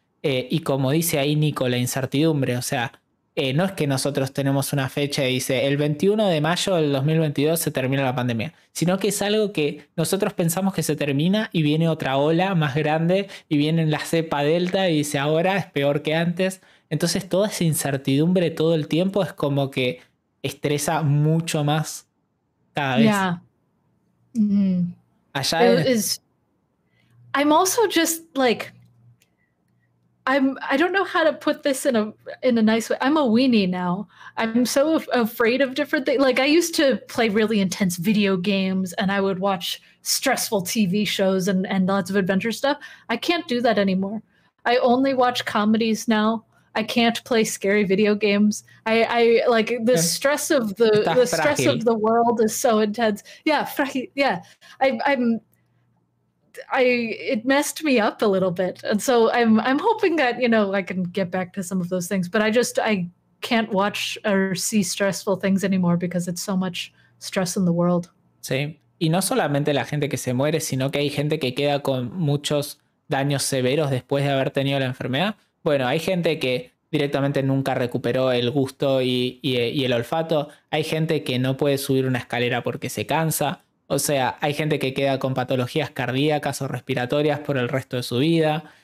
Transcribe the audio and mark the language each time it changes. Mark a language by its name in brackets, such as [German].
[Spanish] Y como dice ahí Nico, la incertidumbre, o sea, no es que nosotros tenemos una fecha y dice el 21 de mayo del 2022 se termina la pandemia, sino que es algo que nosotros pensamos que se termina y viene otra ola más grande y viene la cepa Delta y dice ahora es peor que antes. Entonces toda esa incertidumbre todo el tiempo es como que estresa mucho más cada vez. [English] Allá it is. I'm also just like, I don't know how to put this in a nice way. I'm a weenie now. I'm so afraid of different things. Like, I used to play really intense video games and I would watch stressful TV shows and lots of adventure stuff. I can't do that anymore. I only watch comedies now. I can't play scary video games. The stress of the world is so intense. It messed me up a little bit. And so I'm hoping that, you know, I can get back to some of those things, but I can't watch or see stressful things anymore because it's so much stress in the world. [Spanish] Sí. Y no solamente la gente que se muere, sino que hay gente que queda con muchos daños severos después de haber tenido la enfermedad. Bueno, hay gente que directamente nunca recuperó el gusto y el olfato. Hay gente que no puede subir una escalera porque se cansa. O sea, hay gente que queda con patologías cardíacas o respiratorias por el resto de su vida.